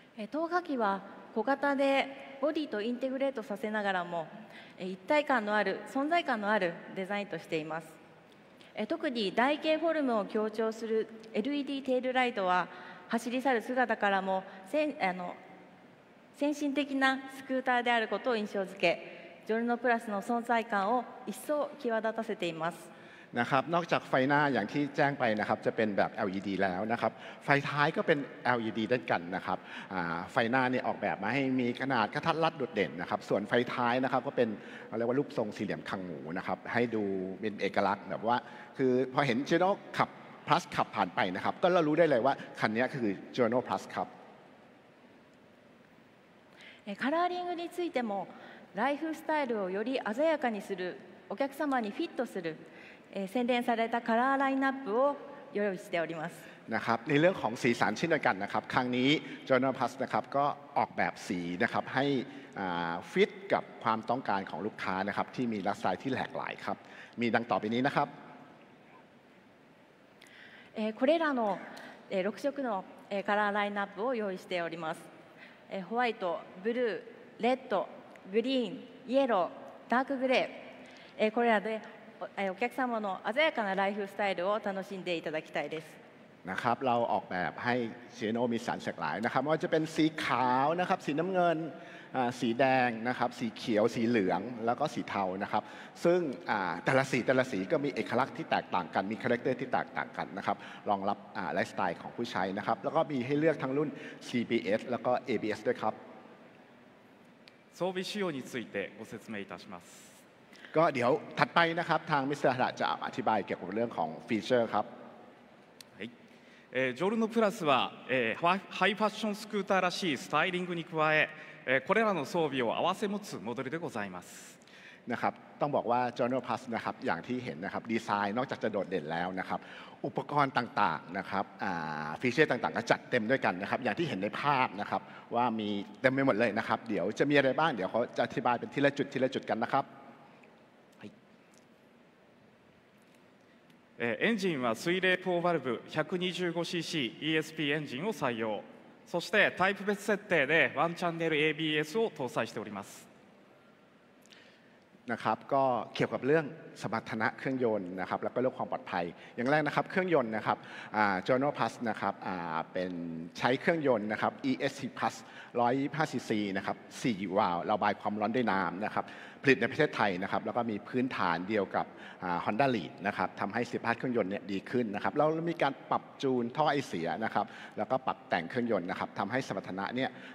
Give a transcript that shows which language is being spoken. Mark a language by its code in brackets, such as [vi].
[ja] 透過機は小型でボディとインテグレートさせながらも一体感のある存在感のあるデザインとしています特に台形フォルムを強調する LED テールライトは走り去る姿からも先進的なスクーターであることを印象付けジョルノプラスの存在感を一層際立たせています [th] นะครับนอกจากไฟหน้าอย่างที่แจ้งไปนะครับจะเป็นแบบ LED แล้วนะครับไฟท้ายก็เป็น LED ด้วยกันนะครับไฟหน้าเนี่ยออกแบบมาให้มีขนาดกระทัดรัดโดดเด่นนะครับส่วนไฟท้ายนะครับก็เป็นเรียกว่ารูปทรงสี่เหลี่ยมคางหมูนะครับให้ดูเป็นเอกลักษณ์แบบว่าคือพอเห็น Journal ขับ Plus ขับผ่านไปนะครับก็เรารู้ได้เลยว่าคันนี้คือ Journal Plus ครับ [ja] カラーリングについてもライフスタイルをより鮮やかにするお客様にフィットする洗練されたカラーラインナップを用意しております。 [th] นะครับในเรื่องของสีสันเช่นเดียวกันนะครับครั้งนี้ Journal Plus นะครับก็ออกแบบสีนะครับให้ฟิตกับความต้องการของลูกค้านะครับที่มีลักษณะที่หลากหลายครับมีดังต่อไปนี้นะครับ [ja] これらの6色のカラーラインナップを用意しております。ホワイト、ブルー、レッド、グリーン、イエロー、ダークグレー。これらでお客様の鮮やかなライフスタイルを楽しんでいただきたいです。 [th] นะครับเราออกแบบให้เชโนมีสันหลากหลายนะครับว่าจะเป็นสีขาวนะครับสีน้ำเงินสีแดงนะครับสีเขียวสีเหลืองแล้วก็สีเทานะครับซึ่งแต่ละสีแต่ละสีก็มีเอกลักษณ์ที่แตกต่างกันมีคาแรคเตอร์ที่แตกต่างกันนะครับรองรับไลฟ์สไตล์ของผู้ใช้นะครับแล้วก็มีให้เลือกทั้งรุ่น CBS แล้วก็ ABS ด้วยครับ [ja] 装備仕様についてご説明いたします。 [th] ก็เดี๋ยวถัดไปนะครับทางมิสเตอร์ฮาระจะอธิบายเกี่ยวกับเรื่องของฟีเจอร์ครับ [ja] ジョルノプラスはハイファッションスクーターらしいスタイリングに加えこれらの装備を合わせ持つモデルでございます [th] นะครับต้องบอกว่าジョルノプラスนะครับอย่างที่เห็นนะครับดีไซน์นอกจากจะโดดเด่นแล้วนะครับอุปกรณ์ต่างๆนะครับฟีเจอร์ต่างๆก็จัดเต็มด้วยกันนะครับอย่างที่เห็นในภาพนะครับว่ามีเต็มไปหมดเลยนะครับเดี๋ยวจะมีอะไรบ้างเดี๋ยวเขาจะอธิบายเป็นทีละจุดทีละจุดกันนะครับ [ja] エンジンは水冷ポーバルブ 125cc ESP エンジンを採用。そしてタイプ別設定でワンチャンネル ABS を搭載しております。 [th] นะครับก็เกี่ยวกับเรื่องสมรรถนะเครื่องยนต์นะครับแล้วก็เรื่องความปลอดภัยอย่างแรกนะครับเครื่องยนต์นะครับJournal Plus นะครับเป็นใช้เครื่องยนต์นะครับ ESC Plus 125cc นะครับ4วาล์วระบายความร้อนด้วยน้ำนะครับผลิตในประเทศไทยนะครับแล้วก็มีพื้นฐานเดียวกับHonda Lead นะครับทำให้สภาพเครื่องยนต์เนี่ยดีขึ้นนะครับแล้วมีการปรับจูนท่อไอเสียนะครับแล้วก็ปรับแต่งเครื่องยนต์นะครับทำให้สมรรถนะเนี่ย